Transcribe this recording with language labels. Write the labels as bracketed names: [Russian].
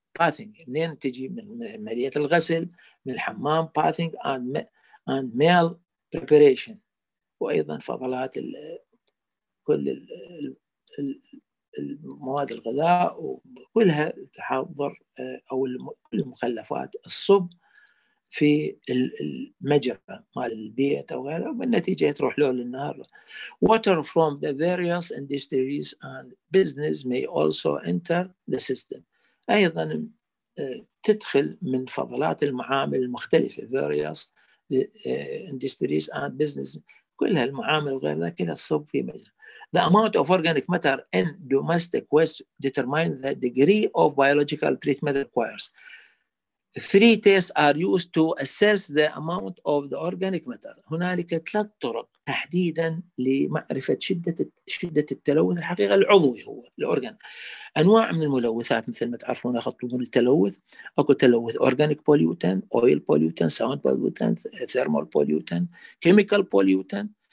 [Arabic] باثينج، منين تجي؟ من مالية الغسل، من الحمام، باثينج [English] and male preparation، [Arabic] وأيضا فضلات كل المواد الغذاء وكلها تحضر أو المخلفات الصب في المجرى مال البيت أو غيره، والنتيجة تروح له للنهر. [English] Water from the various industries and business may also enter the system. [Arabic] أيضا تدخل من فضلات المعامل المختلفة [English] various industries and business، [Arabic] كل هالمعامل وغير ذلك الصب في مجرى. [English] The amount of organic matter in domestic waste determines the degree of biological treatment requires. Three tests are used to assess the amount of the organic matter. [Arabic] هنالك ثلاث طرق تحديدا لمعرفة شدة التلوث الحقيقي العضوي هو الأورجان. أنواع من الملوثات مثل ما تعرفون أخطون التلوث، أكو تلوث [English] organic pollutant, oil pollutant, sound pollutant, thermal pollutant, chemical pollutant.